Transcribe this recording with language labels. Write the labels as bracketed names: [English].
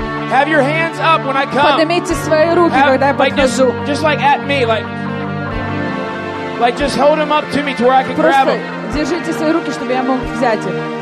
[English] Have your hands up when I come. [Russian] Поднимите свои руки, когда я подхожу. [English] Just like at me, like just hold them up to me to where I can grab them. [Russian] Просто держите свои руки, чтобы я мог взять их.